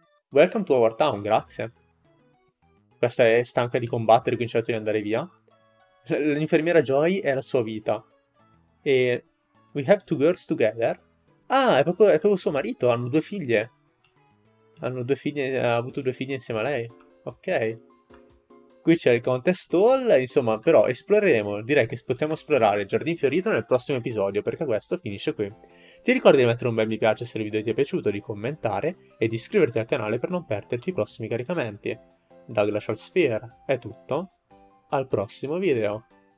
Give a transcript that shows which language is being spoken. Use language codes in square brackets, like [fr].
[en] Welcome to our town, [it] grazie. Questa è stanca di combattere, quindi cerca di andare via. L'infermiera Joy è la sua vita. [en] E we have two girls together. [it] Ah, è proprio suo marito, hanno due figlie. Hanno due figlie, ha avuto due figlie insieme a lei. Ok. Qui c'è il contest hall, insomma, però esploreremo, direi che possiamo esplorare il Giardin Fiorito nel prossimo episodio, perché questo finisce qui. Ti ricordi di mettere un bel mi piace se il video ti è piaciuto, di commentare e di iscriverti al canale per non perderti i prossimi caricamenti. Da Glacial Sphere è tutto, al prossimo video!